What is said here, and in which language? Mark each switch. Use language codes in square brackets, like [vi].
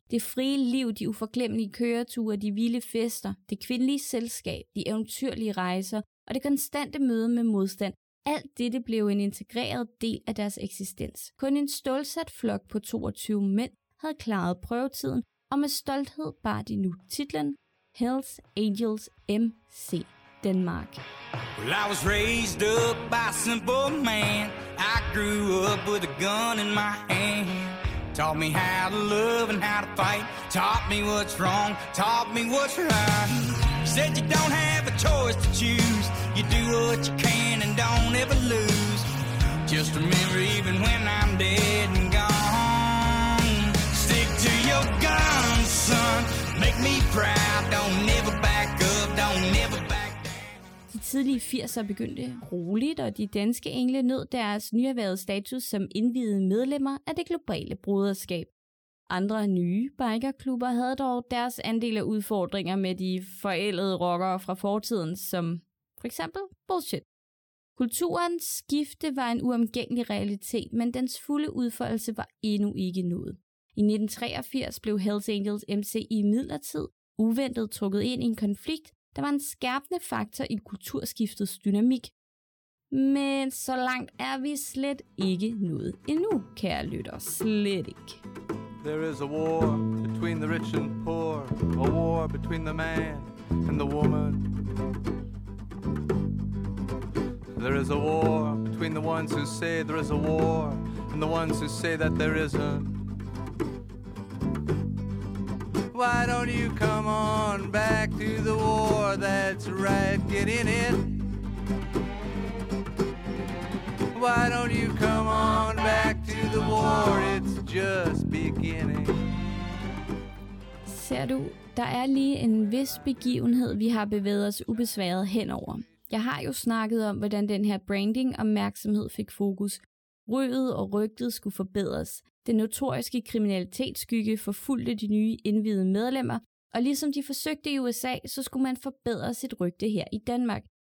[da] Det frie liv, de uforglemmelige køreture, de vilde fester, det kvindelige selskab, de eventyrlige rejser og det konstante møde med modstand Alt dette blev en integreret del af deres eksistens. Kun en stålsat flok på 22 mænd havde klaret prøvetiden, og med stolthed bar de nu titlen Hells Angels MC Denmark. [en] Well, I was raised up by a simple man. I grew up with a gun in my hand. Taught me how to love and how to fight. Taught me what's wrong, taught me what's right. Said you don't have a choice to choose. You do what you can and don't ever lose. Just remember, even when I'm dead and gone, stick to your guns, son. Make me proud. Don't ever back up. Don't ever back down. [da] De tidlige 80'er begyndte roligt, og de danske engle nød deres nyerhvervede status som indviede medlemmer af det globale broderskab. Andre nye bikerklubber havde dog deres andel af udfordringer med de forældede rockere fra fortiden, som for eksempel bullshit. Kulturens skifte var en uomgængelig realitet, men dens fulde udfoldelse var endnu ikke nået. I 1983 blev Hells Angels MC i midlertid uventet trukket ind i en konflikt, der var en skærpende faktor i kulturskiftets dynamik. Men så langt er vi slet ikke nået endnu, kære lytter. Slet ikke. [en] There is a war between the rich and poor, a war between the man and the woman. There is a war between the ones who say there is a war and the ones who say that there isn't. Why don't you come on back to the war? That's right, get in it. Why don't you come on back to the war? It's just beginning. [da] Ser du, der er lige en vis begivenhed, vi har bevæget os ubesværet henover. Jeg har jo snakket om, hvordan den her branding opmærksomhed fik fokus. Røget og rygtet skulle forbedres. Den notoriske kriminalitetsskygge forfulgte de nye indviede medlemmer, og ligesom de forsøgte i USA, så skulle man forbedre sit rygte her i Danmark.